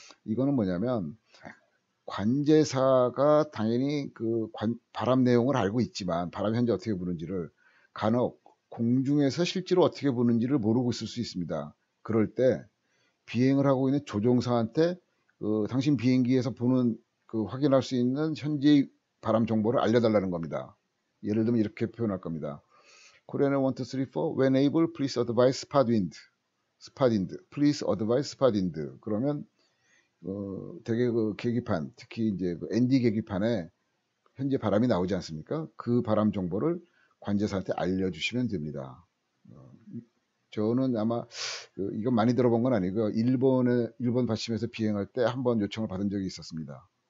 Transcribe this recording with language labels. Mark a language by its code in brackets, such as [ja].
[ko] 이거는 뭐냐면 관제사가 당연히 그 바람 내용을 알고 있지만 바람이 현재 어떻게 부는지를 간혹 공중에서 실제로 어떻게 부는지를 모르고 있을 수 있습니다. 그럴 때 비행을 하고 있는 조종사한테 그 당신 비행기에서 보는 그 확인할 수 있는 현재 바람 정보를 알려달라는 겁니다. 예를 들면 이렇게 표현할 겁니다. [en] Korean Air 1, 2, 3, 4. When able, please advise spot wind. Spot wind. Please advise spot wind. [ko] 그러면 되게 그 계기판, 특히 이제 그 ND 계기판에 현재 바람이 나오지 않습니까? 그 바람 정보를 관제사한테 알려주시면 됩니다. 저는 아마 이건 많이 들어본 건 아니고요. 일본 받침에서 비행할 때 한번 요청을 받은 적이 있었습니다.